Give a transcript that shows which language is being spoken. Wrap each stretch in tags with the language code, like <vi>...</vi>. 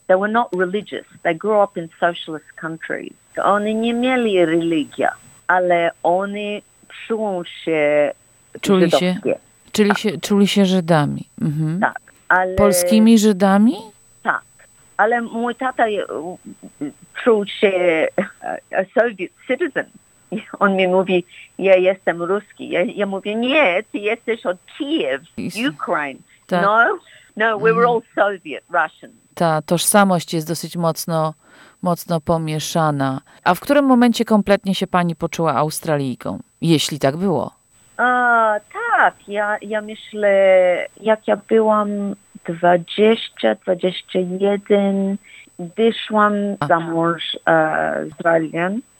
<en>They were not religious. They grew up in socialist countries.</en> <pl>Oni nie mieli religii, ale oni czują się żydowskie. Czuli się Żydami. Mhm. Tak. Ale... Polskimi Żydami? Tak. Ale mój tata czuł się</pl> <en>a Soviet citizen.</en> <pl>On mi mówi, ja jestem Ruski. Ja mówię, nie, ty jesteś od Kijów, Ukraine. Tak.</pl> <en>No, we were all Soviet, Russian.</en> <pl>Ta tożsamość jest dosyć mocno pomieszana. A w którym momencie kompletnie się pani poczuła Australijką? Jeśli tak było. Tak, ja myślę, jak ja byłam 20, 21, wyszłam za mąż Australian.</pl>